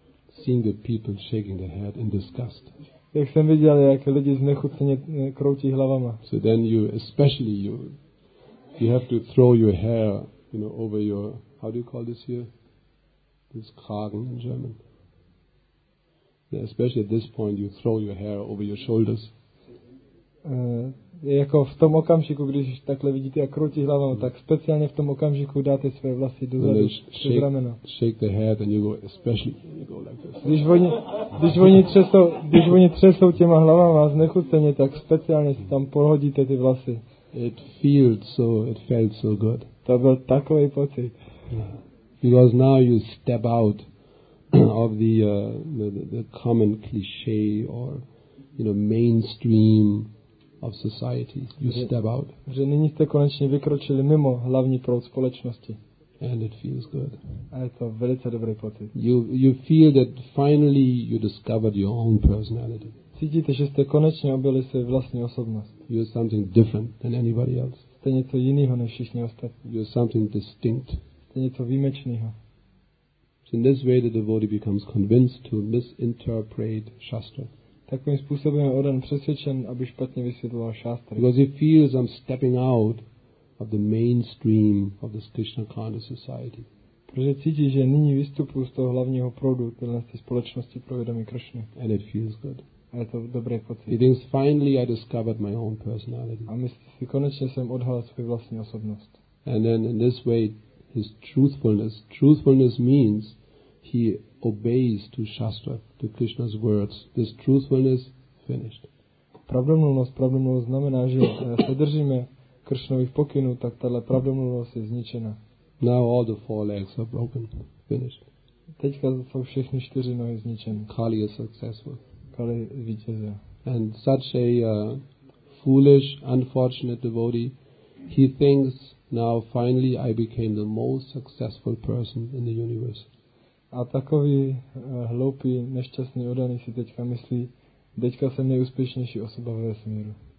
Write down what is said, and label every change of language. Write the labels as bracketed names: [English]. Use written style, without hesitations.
[English] Seeing the people shaking their head in disgust. [Czech] Jak jsem viděl, jak lidi znechuceně kroutí hlavama. [English] So then you have to throw your hair, you know, over your, how do you call this here? This Kragen in German. Yeah, especially at this point, you throw your hair over your shoulders. [Czech] Jako v tom okamžiku, když takhle vidíte a krutí hlavou, tak speciálně v tom okamžiku dáte své vlasy dozadu, přes rameno. [English] Shake the head and you go especially, you go like this. [Czech] Když oni třesou těma hlavama znechuceně, tak speciálně si tam pohodíte ty vlasy. [English] It felt so good. [Czech] To byl takový pocit. [English] Because now you step out of the common cliché or you know mainstream of society. You step out. [Czech] Že nyní jste konečně vykročili mimo hlavní proud společnosti. [English] And it feels good. [Czech] A je to velice dobrý pocit. [English] You feel that finally you discovered your own personality. [Czech] Cítíte, že jste konečně objevili své vlastní osobnost. [English] You are something different than anybody else. [Czech] Jste něco jiného než všichni ostatní. [English] You are something distinct. [Czech] Jste něco výjimečného. [English] In this way the devotee becomes convinced to misinterpret shastra. [Czech] Takovým způsobem je onen přesvědčen, aby špatně vysvětloval šástry. [English] Because he feels I'm stepping out of the mainstream of this Krishna conscious society. [Czech] Protože cítí, že nyní vystupuji z toho hlavního proudu téhle společnosti pro vědomí Krishna. [English] And it feels good. [Czech] A je to dobré pocit. [English] He thinks finally I discovered my own personality. [Czech] A myslí si, konečně jsem odhalil svou vlastní osobnost. [English] And then in this way his truthfulness means he obeys to Shastra, to Krishna's words. This truthfulness finished. [Czech] Pravdomluvnost znamená, že se držíme Krishnových pokynů, tak tahle pravdomluvnost je zničena. [English] Now all the four legs are broken. Finished. [Czech] Teďka jsou všechny čtyři nohy zničeny. [English] Kali is successful. [Czech] Kali vítězí. [English] And such a foolish, unfortunate devotee, he thinks, now finally I became the most successful person in the universe. [Czech] A takový hloupý, nešťastný odaný si teďka myslí, teďka jsem nejúspěšnější osoba ve vesmíru.